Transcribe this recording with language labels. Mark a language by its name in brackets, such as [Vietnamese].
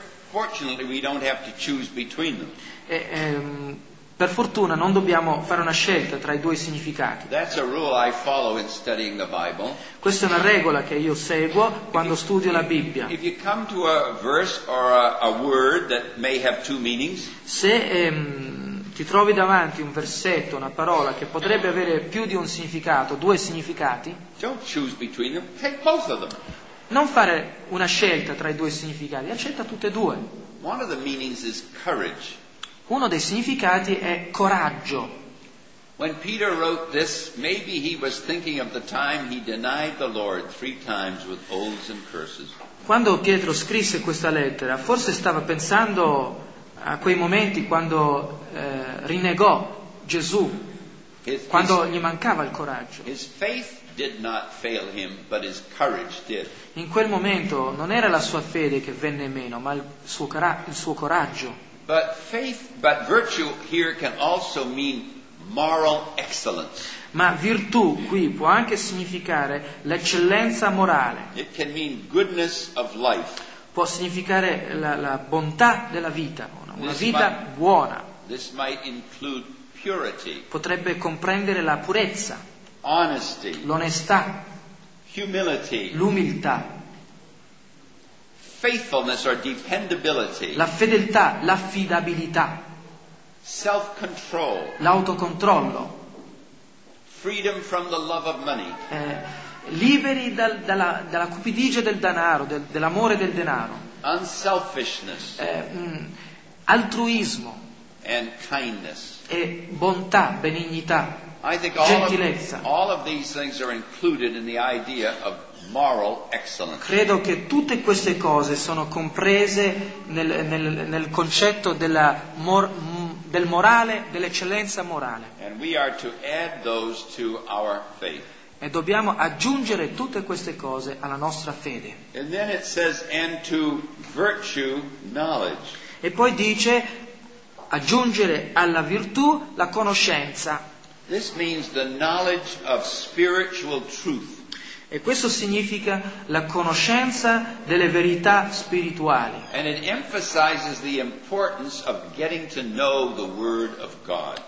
[English] Fortunately, we don't have to choose between them. [Italian] Per fortuna non dobbiamo fare una scelta tra i due significati. [English] That's a rule I follow in studying the Bible. [Italian] Questa è una regola che io seguo quando studio la Bibbia. [English] If you come to a verse or a word that may have two meanings, [Italian] se ti trovi davanti un versetto, una parola che potrebbe avere più di un significato, due significati, [English] don't choose between them, take both of them. [Italian] Non fare una scelta tra i due significati, accetta tutte e due. [English] One of the meanings is courage. [Italian] Uno dei significati è coraggio. [English] When Peter wrote this, maybe he was thinking of the time he denied the Lord three times with oaths and curses. [Italian] Quando Pietro scrisse questa lettera, forse stava pensando a quei momenti quando rinnegò Gesù, quando gli mancava il coraggio. [English] His faith did not fail him, but his courage did. [Italian] In quel momento non era la sua fede che venne meno, ma il suo coraggio. [English] But faith, but virtue here can also mean moral excellence. [Italian] Ma virtù qui può anche significare l'eccellenza morale. [English] It can mean goodness of life. [Italian] Può significare la bontà della vita, una vita buona. [English] This might include purity. [Italian] Potrebbe comprendere la purezza. [English] Honesty, [Italian] l'onestà, [English] humility, [Italian] l'umiltà, [English] faithfulness or dependability, [Italian] la fedeltà, l'affidabilità, [English] self-control, [Italian] l'autocontrollo, [English] freedom from the love of money, [Italian] liberi dalla cupidigia del denaro, dell'amore del denaro, [English] unselfishness, [Italian] altruismo, [English] and kindness, [Italian] e bontà, benignità. [English] I think all of these things are included in the idea of moral excellence. [Italian] Credo che tutte queste cose sono comprese nel concetto del morale, dell'eccellenza morale. [English] And we are to add those to our faith. [Italian] E dobbiamo aggiungere tutte queste cose alla nostra fede. [English] And then it says, and to virtue, knowledge. [Italian] E poi dice aggiungere alla virtù la conoscenza. [English] This means the knowledge of spiritual truth. [Italian] E questo significa la conoscenza delle verità spirituali. [English] And it emphasizes the importance of getting to know the Word of God.